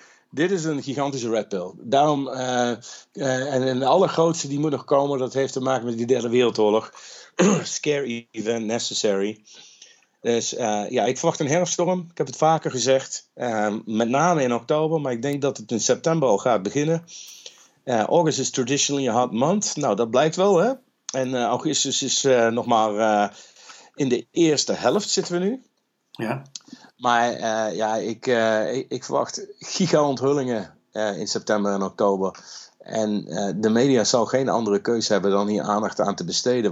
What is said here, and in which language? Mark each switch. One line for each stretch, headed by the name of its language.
Dutch: Dit is een gigantische red pill. Daarom, en de allergrootste die moet nog komen, dat heeft te maken met die derde wereldoorlog.
English: Scare even necessary.
Dutch: Dus ja, ik verwacht een herfststorm. Ik heb het vaker gezegd. Met name in oktober. Maar ik denk dat het in september al gaat beginnen.
English: August is traditionally a hot month.
Dutch: Nou, dat blijkt wel, hè. En augustus is nog maar in de eerste helft zitten we nu. Ja. Maar ja, ik verwacht giga-onthullingen in september en oktober. En de media zal geen andere keuze hebben dan hier aandacht aan te besteden.